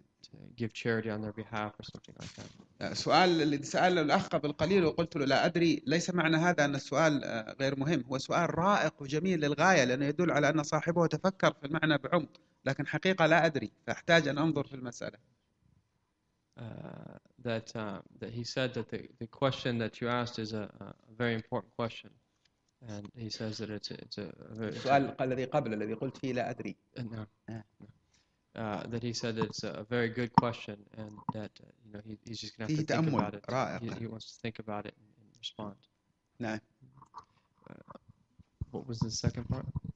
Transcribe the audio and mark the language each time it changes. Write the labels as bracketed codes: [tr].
[en] To give charity on their behalf or something like that. [ar] سؤال اللي سأله الأخ قبل قليل وقلت له لا أدري، ليس معنى هذا أن السؤال غير مهم، هو سؤال رائق وجميل للغاية لأنه يدل على أن صاحبه تفكر في المعنى بعمق، لكن حقيقة لا أدري فأحتاج أن أنظر في المسألة. [en] That he said that the question that you asked is a very important question. And he says that it's a very [ar] سؤال الذي قبل الذي قلت فيه لا أدري. [en] That he said it's a very good question and that you know he's just going to have to think about it. He wants to think about it and respond. [ar] نعم. [en] What was the second part?